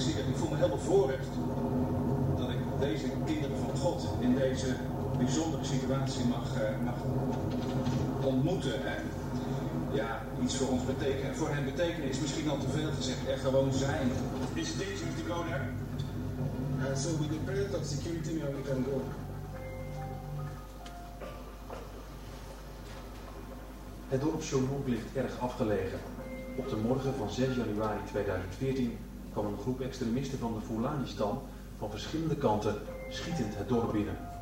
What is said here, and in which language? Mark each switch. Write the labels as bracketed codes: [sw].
[nl] Ik voel me heel bevoorrecht dat ik deze kinderen van God in deze bijzondere situatie mag ontmoeten. En iets voor ons betekenen. Voor hen betekenen is misschien al te veel gezegd. Echt gewoon zijn. Is het dit, Mr. Koner? [en] So with the present of security, we can go. [nl] Het dorp Chonok ligt erg afgelegen. Op de morgen van 6 januari 2014 kwam een groep extremisten van de Fulani-stam van verschillende kanten schietend het dorp binnen.